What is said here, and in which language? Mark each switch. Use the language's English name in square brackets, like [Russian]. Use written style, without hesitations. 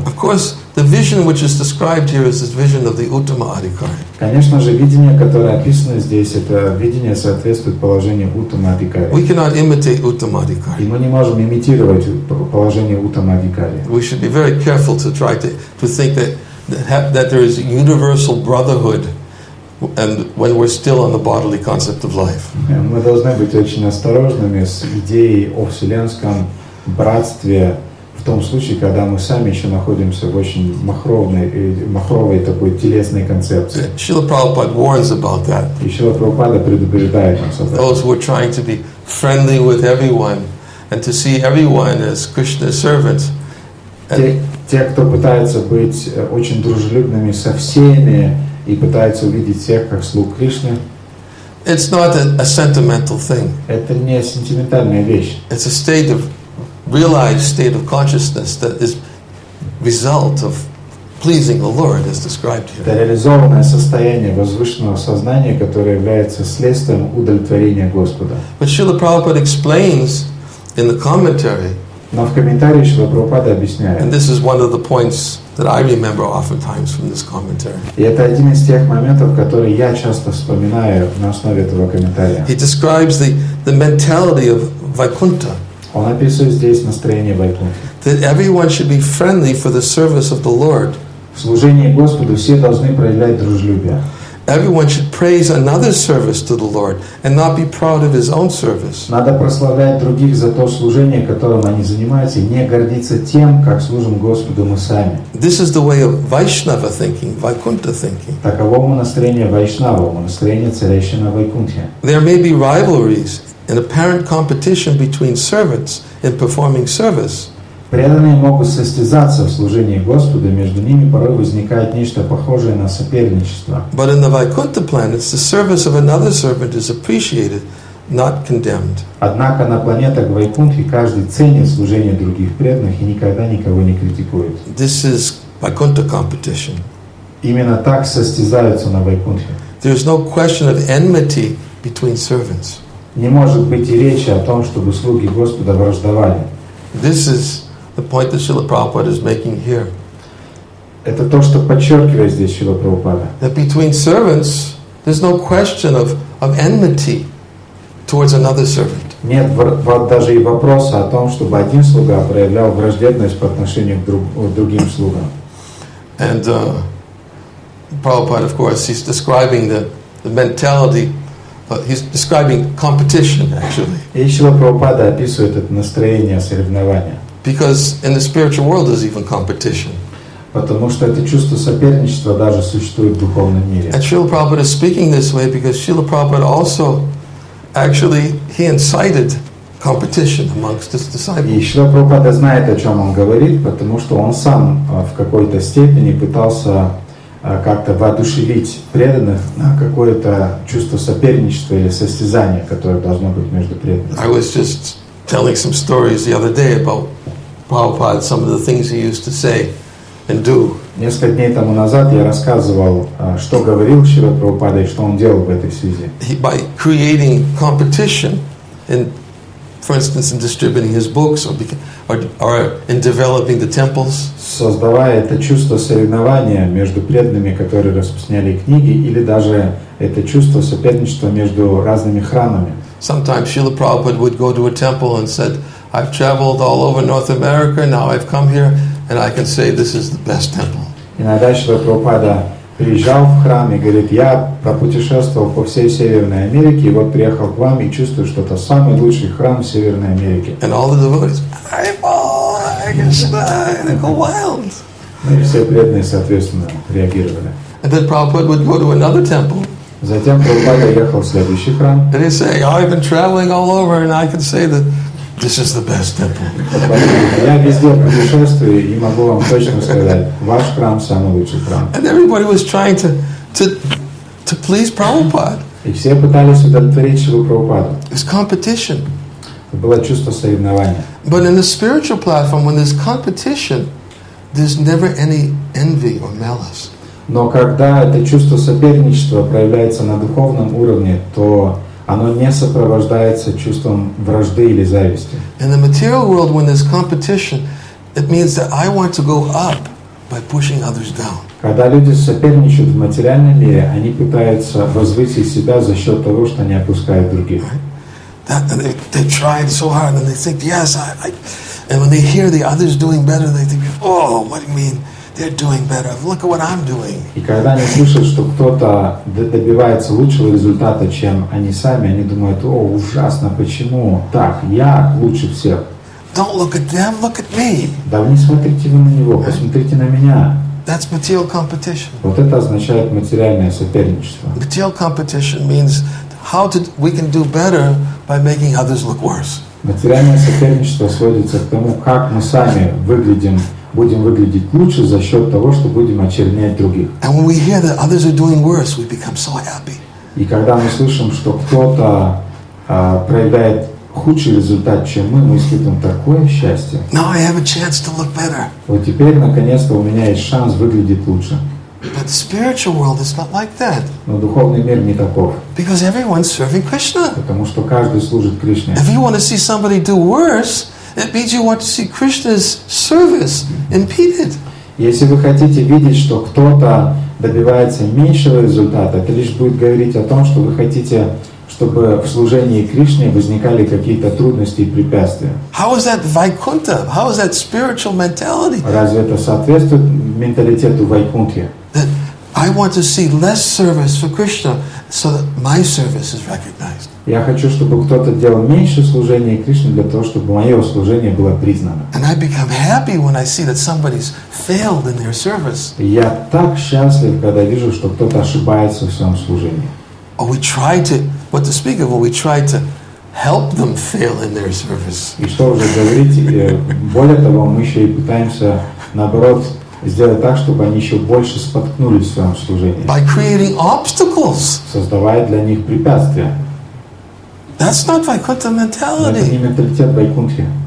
[English] Of course, the vision which is described here is the vision of the Uttama Adhikari. [Russian] Конечно же, видение, которое описано здесь, это видение соответствует положению Uttama Adhikari. [English] We cannot imitate Uttama Adhikari. [Russian] И мы не можем имитировать положение Uttama Adhikari. [English] We should be very careful to try to think that there is universal brotherhood and when we're still on the bodily concept of life. [Russian] Мы должны быть очень осторожными с идеей о вселенском братстве в том случае, когда мы сами еще находимся в очень махровой такой телесной концепции. [English] Шрила Прабхупада warns about that. [Russian] И Шрила Прабхупада предупреждает нас об этом. [English] Those who are trying to be friendly with everyone and to see everyone as Krishna's servants. [Russian] Те, кто пытается быть очень дружелюбными со всеми и пытается увидеть всех как слуг Кришны. [English] It's not a sentimental thing. [Russian] Это не сентиментальная вещь. [English] It's a state of realized state of consciousness that is result of pleasing the Lord, as described here. [Russian] Это реализованное состояние возвышенного сознания, которое является следствием удовлетворения Господа. [English] But Srila Prabhupada explains in the commentary. [Russian] Но в комментарии Шрила Прабхупада объясняет. [English] And this is one of the points that I remember oftentimes from this commentary. [Russian] И это один из тех моментов, которые я часто вспоминаю на основе этого комментария. [English] He describes the mentality of Vaikuntha. [Russian] Он описывает здесь настроение Вайкунтхи. [English] That everyone should be friendly for the service of the Lord. [Russian] В служении Господу все должны проявлять дружелюбие. [English] Everyone should praise another's service to the Lord and not be proud of his own service. [Russian] Надо прославлять других за то служение, которым они занимаются, и не гордиться тем, как служим Господу мы сами. [English] This is the way of Vaishnava thinking, Vaikuntha thinking. [Russian] Таково настроение Вайшнава, настроение царящее на Вайкунтхе. [English] There may be rivalries and apparent competition between servants in performing service. [Russian] Преданные могут состязаться в служении Господу, и между ними порой возникает нечто похожее на соперничество. [English] But in the Vaikuntha planets, the service of another servant is appreciated, not condemned. [Russian] Однако на планетах Вайкунтхи каждый ценит служение других преданных и никогда никого не критикует. [English] This is Vaikuntha competition. [Russian] Именно так состязаются на Вайкунтхе. [English] There is no question of enmity between servants. [Russian] Не может быть и речи о том, чтобы слуги Господа враждовали. [English] This is the point that Srila Prabhupada is making here. [Russian] Это то, что подчеркивает здесь Шрила Прабхупада. [English] That between servants, there's no question of enmity towards another servant. [Russian] Нет даже и вопроса о том, чтобы один слуга проявлял враждебность по отношению к другим слугам. [English] And Prabhupada, of course, he's describing the mentality. But he's describing competition, actually. [Russian] И Шрила Прабхупада описывает это настроение соревнования. [English] Because in the spiritual world there's even competition. [Russian] Потому что это чувство соперничества даже существует в духовном мире. [English] And Srila Prabhupada is speaking this way because Srila Prabhupada also, actually, he incited competition amongst his disciples. [Russian] И Шрила Прабхупада знает, о чем он говорит, потому что он сам в какой-то степени пытался как-то воодушевить преданных на какое-то чувство соперничества или состязания, которое должно быть между преданными. [English] I was just telling some stories the other day about Prabhupada, some of the things he used to say and do. [Russian] Несколько дней тому назад я рассказывал, что говорил Шрила Прабхупада и что он делал в этой связи. [English] By creating competition, in, for instance, in distributing his books or in developing the temples. [Russian] Создавая это чувство соревнования между преданными, которые распространяли книги, или даже это чувство соперничества между разными храмами. [English] Sometimes Srila Prabhupada would go to a temple and said, I've traveled all over North America, now I've come here, and I can say this is the best temple. [Russian] Иногда Шрила Прабхупада приезжал в храм и говорит, я пропутешествовал по всей Северной Америке, и вот приехал к вам и чувствую, что это самый лучший храм в Северной Америке. [English] And all the devotees, I go wild. [Russian] И все преданные, соответственно, реагировали. [English] And then Prabhupada would go to another temple. [Russian] Затем Прабхупада ехал в следующий храм. [English] And he'd say, I've been traveling all over, and I can say that this is the best temple. [Russian] Я везде путешествую и могу вам точно сказать, ваш храм самый лучший храм. [English] And everybody was trying to please Prabhupada. [Russian] И все пытались удовлетворить Шрилу Прабхупаду. [English] It's competition. [Russian] Было чувство соревнования. [English] But in the spiritual platform, when there's competition, there's never any envy or malice. [Russian] Но когда это чувство соперничества проявляется на духовном уровне, то оно не сопровождается чувством вражды или зависти. [English] In the material world, when there's competition, it means that I want to go up by pushing others down. [Russian] Когда люди соперничают в материальном мире, они пытаются возвысить себя за счет того, что они опускают других. [English] That, and they tried so hard, and they think, yes, I. And when they hear the others doing better, they think, oh, what do you mean? They're doing better. Look at what I'm doing. [Russian] И когда они слышат, что кто-то добивается лучшего результата, чем они сами, они думают, о, ужасно, почему так? Я лучше всех. [English] Don't look at them, look at me. [Russian] Да вы не смотрите вы на него, посмотрите на меня. [English] That's material competition. [Russian] Вот это означает материальное соперничество. [English] Material competition means how to, we can do better by making others look worse. [Russian] Материальное соперничество сводится к тому, как мы сами выглядим будем выглядеть лучше за счет того, что будем очернять других. [English] And when we hear that others are doing worse, we become so happy. [Russian] И когда мы слышим, что кто-то проявляет худший результат, чем мы испытываем такое счастье. [English] Now I have a chance to look better. [Russian] Вот теперь, наконец-то, у меня есть шанс выглядеть лучше. [English] But the spiritual world is not like that. [Russian] Но духовный мир не таков. [English] Because everyone's serving Krishna. [Russian] Потому что каждый служит Кришне. [English] If you want to see somebody do worse, it means you want to see Krishna's service impeded. [Russian] Если вы хотите видеть, что кто-то добивается меньшего результата, это лишь будет говорить о том, что вы хотите, чтобы в служении Кришне возникали какие-то трудности и препятствия. [English] How is that Vaikuntha? How is that spiritual mentality? [Russian] Разве это соответствует менталитету Вайкунтхи? [English] That I want to see less service for Krishna so that my service is recognized. [Russian] Я хочу, чтобы кто-то делал меньше служения Кришне для того, чтобы мое служение было признано. [English] And I become happy when I see that somebody's failed in their service. [Russian] Я так счастлив, когда вижу, что кто-то ошибается в своем служении. [English] Or we try to what to speak of when we try to help them fail in their service. [Russian] И что уже говорить, более того, мы еще и пытаемся, наоборот, сделать так, чтобы они еще больше споткнулись в своем служении. [English] By creating obstacles. [Russian] Создавая для них препятствия. [English] That's not Vaikuntha mentality. [Russian] Это не менталитет Вайкунтхи.